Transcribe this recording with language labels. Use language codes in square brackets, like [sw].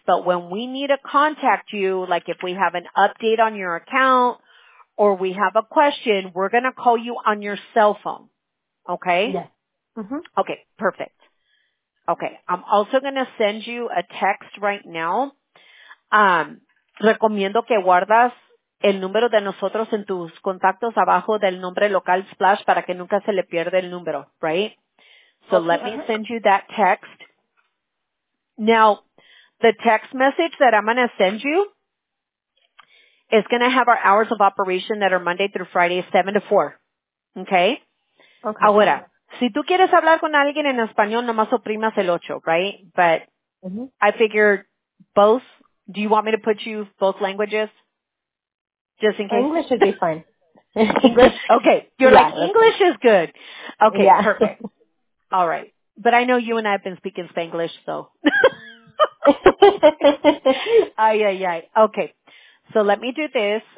[en] But when we need to contact you, like if we have an update on your account or we have a question, we're going to call you on your cell phone. Okay? Yes. Mm-hmm. Okay, perfect. Okay, I'm also going to send you a text right now. [es] Recomiendo que guardas el número de nosotros en tus contactos abajo del nombre local Splash para que nunca se le pierda el número, right? [en] So okay. Let me send you that text. Now, the text message that I'm going to send you is going to have our hours of operation that are Monday through Friday, 7 to 4. Okay? Okay. [es] Ahora. Si tú quieres hablar con alguien en español, nomás oprimas el 8, right? [en] But I figured both. Do you want me to put you both languages? Just in case. English would be fine. English? Okay. You're like, English is good. Okay, yeah. Perfect. All right. But I know you and I have been speaking Spanglish, so. Ay, ay, ay. Okay. So let me do this.